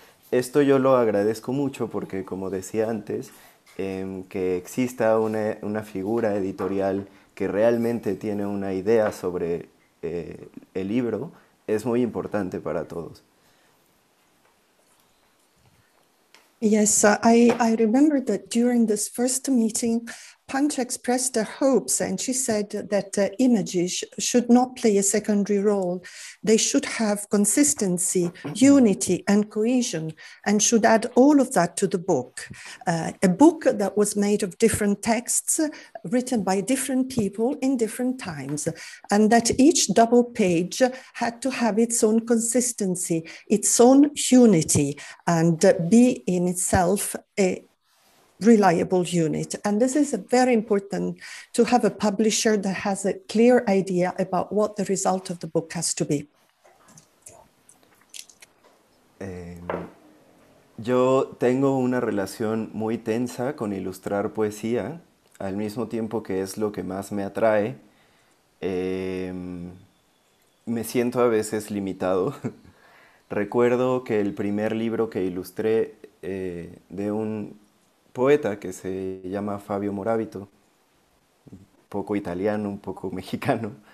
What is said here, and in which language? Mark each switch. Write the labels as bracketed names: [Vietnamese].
[Spanish] Esto yo lo agradezco mucho porque, como decía antes, que exista una figura editorial que realmente tiene una idea sobre el libro es muy importante para todos. [English] Yes, I remember that during this first meeting, Pancha expressed her hopes, and she said that images should not play a secondary role. They should have consistency, unity, and cohesion, and should add all of that to the book. A book that was made of different texts, written by different people in different times, and that each double page had to have its own consistency, its own unity, and be in itself a reliable unit. And this is very important, to have a publisher that has a clear idea about what the result of the book has to be. [Spanish] Yo tengo una relación muy tensa con ilustrar poesía, al mismo tiempo que es lo que más me atrae. Me siento a veces limitado. Recuerdo que el primer libro que ilustré de un poeta que se llama Fabio Morabito, un poco italiano, un poco mexicano.